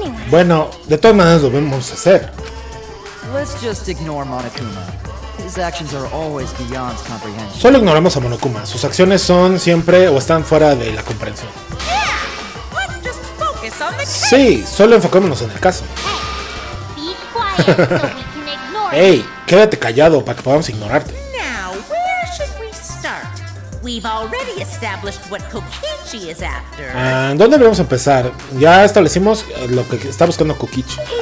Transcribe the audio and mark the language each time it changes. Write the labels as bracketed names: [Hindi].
[Spanish] Bueno, de todas maneras lo vamos a hacer. [English] Let's just ignore Monokuma. His actions are always beyond comprehension. [Spanish] Solo ignoramos a Monokuma. Sus acciones son siempre o están fuera de la comprensión. [English] Yeah, let's just focus on the case. [Spanish] Sí, solo enfocémonos en el caso. [English] Hey, be quiet so we can ignore him. [Spanish] Hey, quédate callado para que podamos ignorarte. [English] Now, where should we start? We've already established what Kokichi is after. [Spanish] ¿Dónde debemos empezar? Ya establecimos lo que está buscando Kokichi.